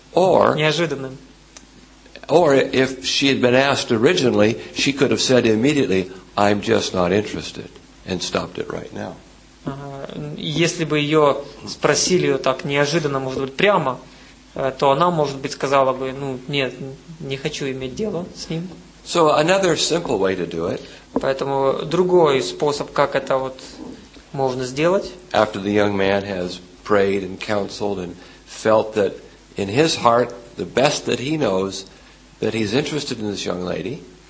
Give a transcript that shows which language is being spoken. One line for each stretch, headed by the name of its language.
English: or
Russian: неожиданным.
English: Or if she had been asked originally, she could have said immediately, I'm just not interested, and stopped it right now.
Russian: Если бы ее спросили так неожиданно, может быть, прямо, то она, может быть, сказала бы, ну, нет, не хочу иметь дело с ним.
English: So another simple way to do it.
Russian: Поэтому другой способ, как это вот можно сделать.
English: After the young man has prayed and counseled and felt that in his heart, the best that he knows, that he's interested in this young lady.